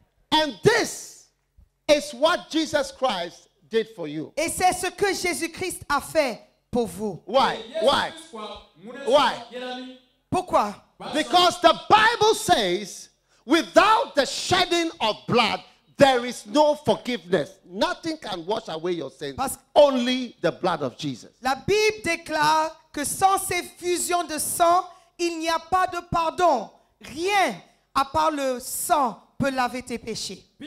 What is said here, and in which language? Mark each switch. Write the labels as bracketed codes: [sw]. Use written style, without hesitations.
[en] And this is what Jesus Christ did for you. [fr] Et c'est ce que Jésus-Christ a fait pour vous. [en] Why? Why? Why? [fr] Pourquoi? [en] Because the Bible says, without the shedding of blood, there is no forgiveness. Nothing can wash away your sins. [fr] Parce [en] only the blood of Jesus. [fr] La Bible déclare que sans ces fusions de sang, il n'y a pas de pardon. Rien à part le sang peut laver tes péchés.